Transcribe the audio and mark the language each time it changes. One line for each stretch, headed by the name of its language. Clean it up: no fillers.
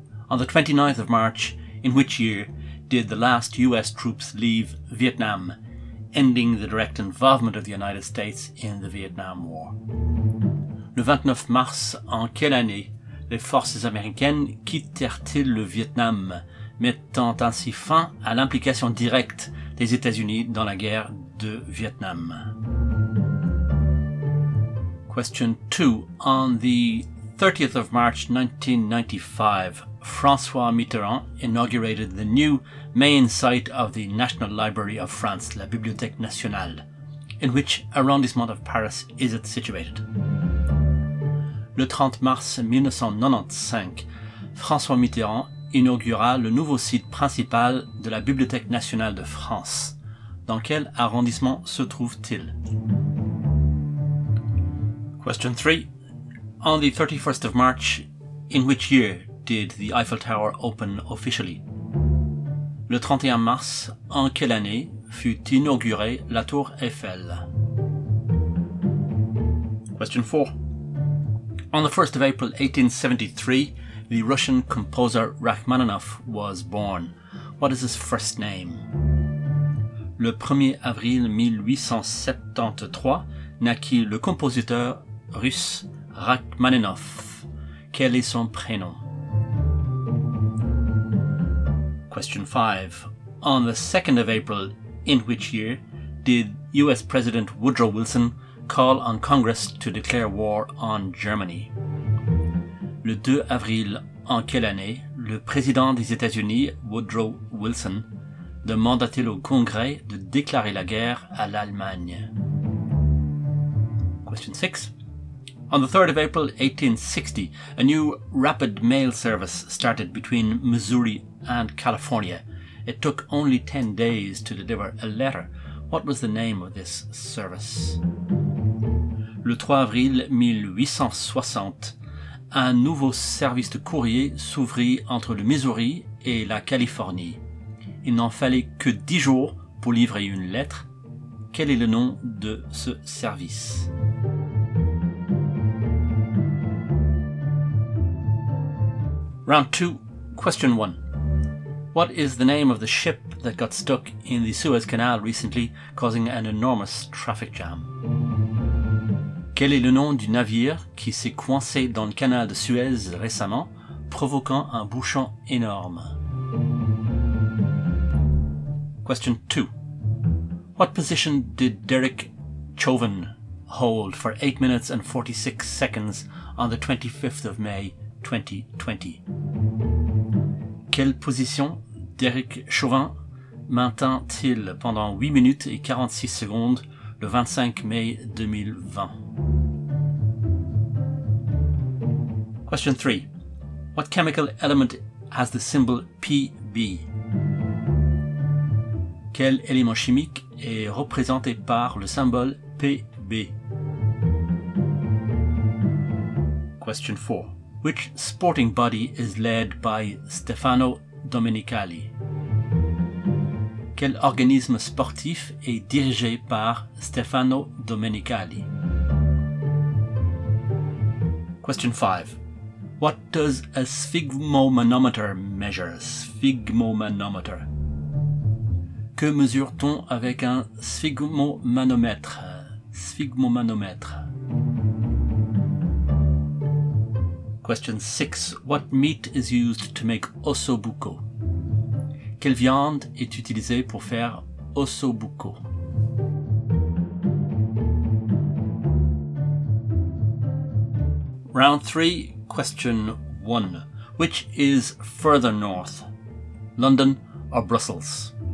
English: On the 29th of March, in which year did the last US troops leave Vietnam, ending the direct involvement of the United States in the Vietnam War?
French: Le 29 mars, en quelle année les forces américaines quittèrent-elles le Vietnam, mettant ainsi fin à l'implication directe des États-Unis dans la guerre de Vietnam?
English: Question 2. On the 30th of March 1995, François Mitterrand inaugurated the new main site of the National Library of France, la Bibliothèque Nationale. In which arrondissement of Paris is it situated?
French: Le 30 mars 1995, François Mitterrand inaugura le nouveau site principal de la Bibliothèque Nationale de France. Dans quel arrondissement se trouve-t-il?
English: Question 3. On the 31st of March, in which year did the Eiffel Tower open officially?
French: Le 31 mars, en quelle année fut inaugurée la Tour Eiffel?
English: Question 4. On the 1st of April 1873, the Russian composer Rachmaninoff was born. What is his first name?
French: Le 1er avril 1873, naquit le compositeur russe Rachmaninoff. Quel est son prénom?
English: Question 5. On the 2nd of April, in which year did US President Woodrow Wilson call on Congress to declare war on Germany?
French: Le 2 avril, en quelle année le président des États-Unis Woodrow Wilson demanda-t-il au Congrès de déclarer la guerre à l'Allemagne?
English: Question 6. On the 3rd of April 1860, a new rapid mail service started between Missouri and California. It took only 10 days to deliver a letter. What was the name of this service?
French: Le 3 avril 1860, un nouveau service de courrier s'ouvrit entre le Missouri et la Californie. Il n'en fallait que 10 jours pour livrer une lettre. Quel est le nom de ce service?
English: Round 2, question 1. What is the name of the ship that got stuck in the Suez Canal recently, causing an enormous traffic jam?
French: Quel est le nom du navire qui s'est coincé dans le canal de Suez récemment, provoquant un bouchon énorme?
English: Question 2. What position did Derek Chauvin hold for 8 minutes and 46 seconds on the 25th of May 2020?
French: Quelle position Derek Chauvin maintint-il pendant 8 minutes et 46 secondes le 25 mai 2020?
English: Question 3. What chemical element has the symbol Pb?
French: Quel élément chimique est représenté par le symbole Pb?
English: Question 4. Which sporting body is led by Stefano Domenicali?
French: Quel organisme sportif est dirigé par Stefano Domenicali?
English: Question 5. What does a sphygmomanometer measure?
French: Sphygmomanometer. Que mesure-t-on avec un sphygmomanomètre? Sphygmomanomètre.
English: Question 6. What meat is used to make osso buco?
French: Quelle viande est utilisée pour faire osso buco?
English: Round 3. Question 1. Which is further north, London or Brussels?